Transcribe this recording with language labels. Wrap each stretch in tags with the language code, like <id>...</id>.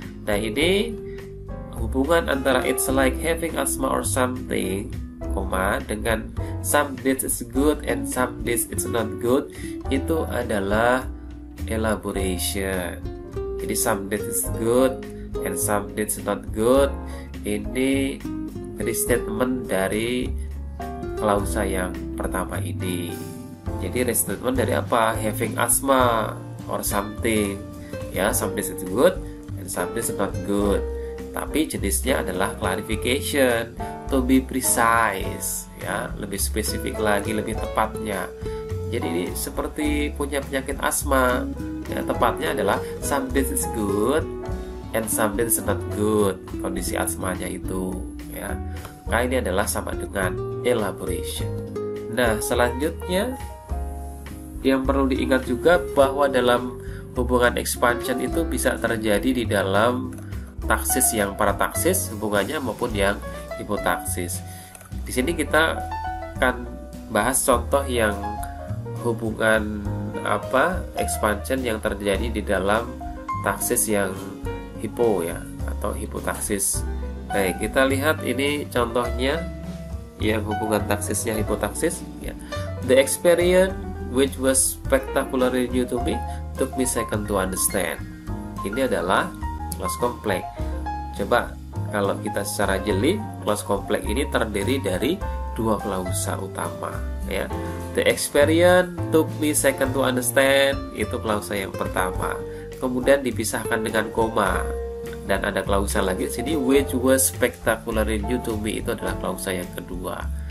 <id>Nah, ini hubungan antara</id> <en>it's like having asthma or something,</en> <id>koma, dengan</id> <en>some days it's good and some days it's not good</en> <id>itu adalah</id> <en>elaboration.</en> <id>Jadi</id> <en>some days it's good and some days not good</en> <id>ini restatement dari klausa yang pertama ini. Jadi restatement dari apa?</id> <en>Having asthma or something. Ya, some days it's good and some days not good.</en> <id>Tapi jenisnya adalah clarification,</id> <en>to be precise,</en> <id>ya, lebih spesifik lagi, lebih tepatnya. Jadi ini seperti punya penyakit asma, ya, tepatnya adalah</id> <en>some days is good and some days not good,</en> <id>kondisi asmanya itu, ya. Nah, ini adalah sama dengan elaboration. Nah, selanjutnya yang perlu diingat juga bahwa dalam hubungan expansion itu bisa terjadi di dalam taksis yang parataksis hubungannya maupun yang hipotaksis. Di sini kita akan bahas contoh yang hubungan apa expansion yang terjadi di dalam taksis yang hipo ya atau hipotaksis. Baik, kita lihat ini contohnya yang hubungan taksisnya hipotaksis ya.</id> <en>The experience which was spectacularly new to me took me second to understand.</en> <id>Ini adalah clause complex. Coba kalau kita secara jeli, clause complex ini terdiri dari dua klausa utama ya.</id> <en>The experience took me second to understand</en> <id>itu klausa yang pertama. Kemudian dipisahkan dengan koma dan ada klausa lagi di sini</id> <en>which was spectacularly new to me</en> <id>itu adalah klausa yang kedua.</id>